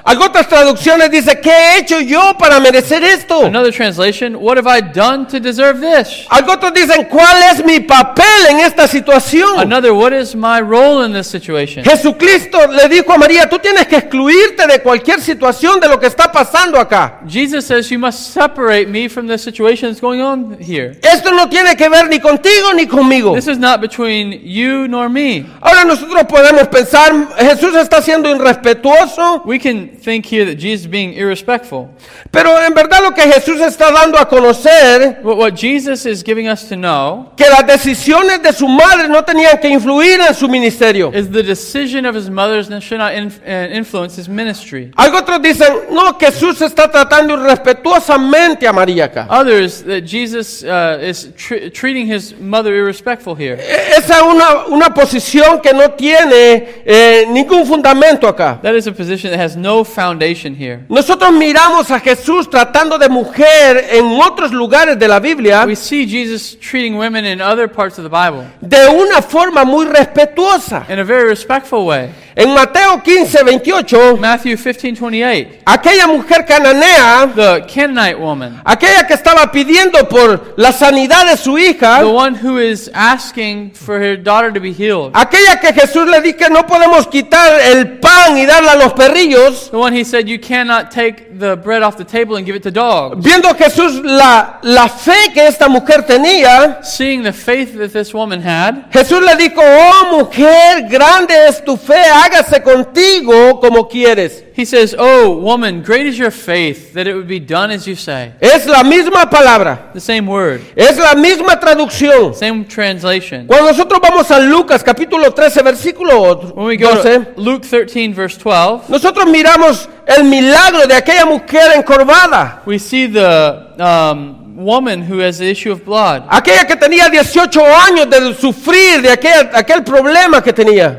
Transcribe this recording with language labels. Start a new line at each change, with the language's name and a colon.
Spanish: Algunas traducciones dice, ¿qué he hecho yo para merecer esto?
English: Another translation, what have I done to deserve this?
Spanish: Algunos dicen, ¿cuál es mi papel en esta situación?
English: Another, what is my role in this situation?
Spanish: Jesucristo le dijo a María, tú tienes que excluirte de cualquier situación de lo que está pasando acá.
English: Jesus says, you must separate me from the situation that's going on here.
Spanish: Esto no tiene que ver ni contigo ni conmigo.
English: This is not between you nor me.
Spanish: Ahora nosotros podemos pensar, Jesús está siendo irrespetuoso.
English: We can think here that Jesus is being irrespectful.
Spanish: Pero en verdad lo que Jesús está dando a conocer,
English: what Jesus is giving us to know,
Spanish: que las decisiones de su madre no tenían que influir en su ministerio.
English: Is the decision of his mother's should not influence his ministry.
Spanish: Algunos dicen, no, Jesús está tratando irrespetuosamente a María acá.
English: Others that Jesus is treating his mother irrespectful here.
Spanish: Esa es una posición que no tiene ningún fundamento acá.
English: That is a position that has no foundation here.
Spanish: Nosotros miramos a Jesús tratando de mujer en otros lugares de la Biblia.
English: We see Jesus treating women in other parts of the Bible.
Spanish: De una forma muy respetuosa.
English: In a very respectful way.
Spanish: En Mateo 15:28,
English: Matthew 15:28,
Spanish: aquella mujer cananea,
English: the Canaanite woman,
Spanish: aquella que estaba pidiendo por la sanidad de su hija,
English: the one who is asking for her daughter to be healed,
Spanish: aquella que Jesús le dijo que no podemos quitar el pan y darla a los perrillos,
English: the one he said you cannot take the bread off the table and give it to dogs,
Spanish: viendo Jesús la fe que esta mujer tenía,
English: seeing the faith that this woman had,
Spanish: Jesús le dijo, oh mujer, grande es tu fe, hágase contigo como quieres.
English: He says, oh woman, great is your faith, that it would be done as you say.
Spanish: Es la misma palabra.
English: The same word.
Spanish: Es la misma traducción.
English: Same translation.
Spanish: Cuando nosotros vamos a Lucas capítulo 13 versículo 12,
English: when we go to Luke 13 verse 12,
Spanish: nosotros miramos el milagro de aquella mujer encorvada.
English: We see the woman who has the issue of blood.
Spanish: Aquella que tenía 18 años de sufrir de aquel problema que tenía.